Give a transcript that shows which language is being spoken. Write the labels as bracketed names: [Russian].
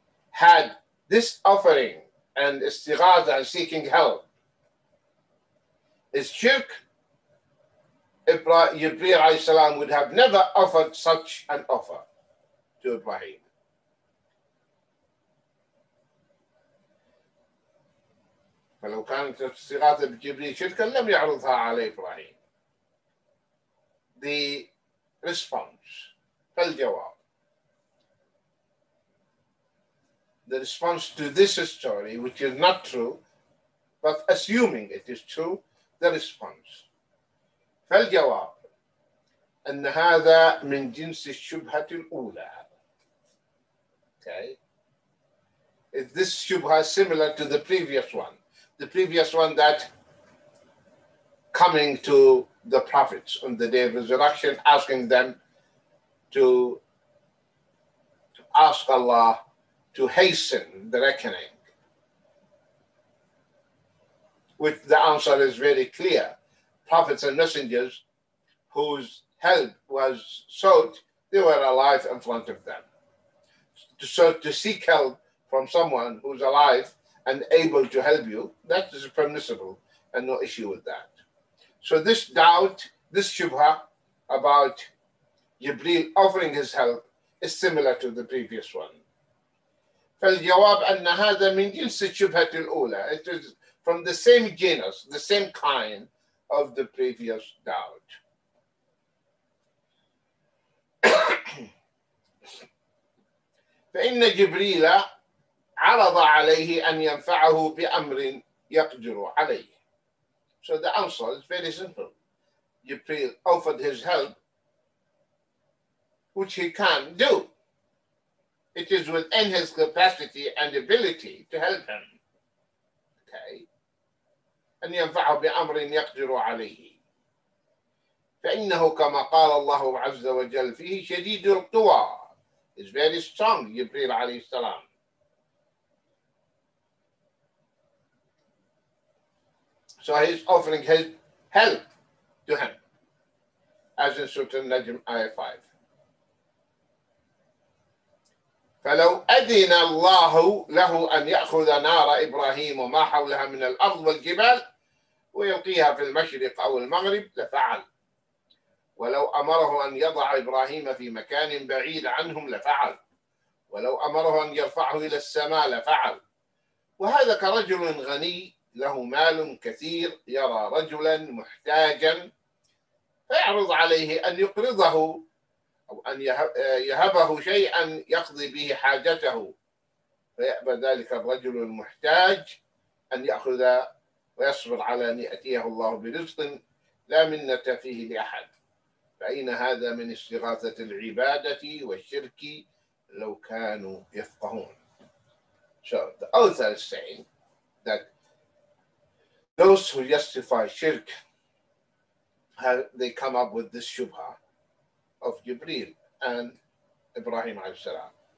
[English] Had this offering and istighatha and seeking help is shirk, Jibril alayhi salam would have never offered such an offer to Ibrahim. [Arabic] فلو كانت استغاثة بجبريل شركا لم يعرضها على إبراهيم. [English] The response, [Arabic] فالجواب. [English] The response to this story, which is not true, but assuming it is true, the response. [Arabic] فالجواب أن هذا من جنس الشبهة الأولى. [English] Okay. Is this shubha similar to the previous one? The previous one that coming to the prophets on the day of resurrection, asking them to ask Allah to hasten the reckoning, which the answer is very clear. Prophets and messengers whose help was sought, they were alive in front of them. So to seek help from someone who's alive and able to help you, that is permissible and no issue with that. So this doubt, this shubha about Jibril offering his help is similar to the previous one. [Arabic] فالجواب أن هذا من جنس الشبهة الأولى. [English] It is from the same genus, the same kind of the previous doubt. [Arabic] فإن جبريل عرض عليه أن ينفعه بأمر يقدر عليه. [English] So the answer is very simple. Jibril offered his help, which he can do. it is within his capacity and ability to help him. Okay. [Arabic] أن ينفعه بأمر يقدر عليه. فإنه كما قال الله عز وجل فيه شديد القوى. [English] It's very strong, Jibril [Arabic] عليه السلام. [English] So he's offering his help to him, as in Surah Al-Najm, Ayah 5. [Arabic] فَلَوْ أَذِنَ اللَّهُ لَهُ أَنْ يَأْخُذَ نَارَ إِبْرَاهِيمُ وَمَا حَوْلَهَا مِنَ الْأَرْضِ وَالْجِبَالِ وَيُلْقِيهَا فِي الْمَشْرِقِ أَوْ الْمَغْرِبِ لَفَعَلَ وَلَوْ أَمَرَهُ أَنْ يَضَعَ إِبْرَاهِيمَ فِي مَكَانٍ بَعِيدٍ عَنْهُمْ لَفَعَلَ وَلَوْ أَمَرَهُ أَنْ يَرْفَعَهُ إِلَى السَّمَاءِ لَفَعَلَ وَهَذَا كَرَجُلٍ غَنِيٍّ له مال كثير يرى رجلا محتاجا فيعرض عليه أن يقرضه أو أن يهبه شيئا يقضي به حاجته فيأبى ذلك الرجل المحتاج أن يأخذ ويصبر على أن يأتيه الله برزق لا منة فيه لأحد فأين هذا من استغاثة العبادة والشرك لو كانوا يفقهون. [English] The author is saying that those who justify shirk, they come up with this shubha of Jibril and Ibrahim alayhi salam.